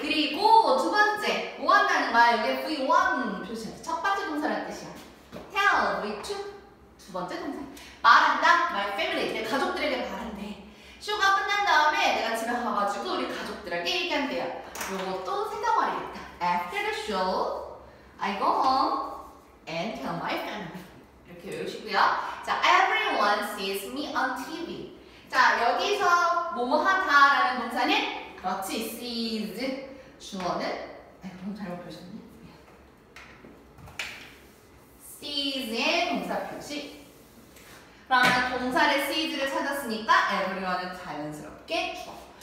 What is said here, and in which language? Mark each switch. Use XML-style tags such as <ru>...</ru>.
<ko>그리고 두 번째 원하는 말 여기 v1 표시 첫 번째 동사란 뜻이야.</ko> <en>tell me to</en> <ko>두 번째 동사 말한다.</ko> <en>my family</en> <ko>내 가족들에게 말한대. 쇼가 끝난 다음에 내가 집에 가가지고 우리 가족들에게 얘기한대요. 요것도 세 덩어리겠다.</ko> <en>after the show I go home and tell my family.</en> <ko>이렇게 외우시고요. 자,</ko> <en>everyone sees me on TV.</en> <ko>자, 여기서 뭐뭐하다라는 동사는 그렇지, sees. 주어는 너무 잘못 표시했네. sees의 동사 표시. 그러면 동사를 sees를 찾았으니까 everyone은 자연스럽게 주어.</ko>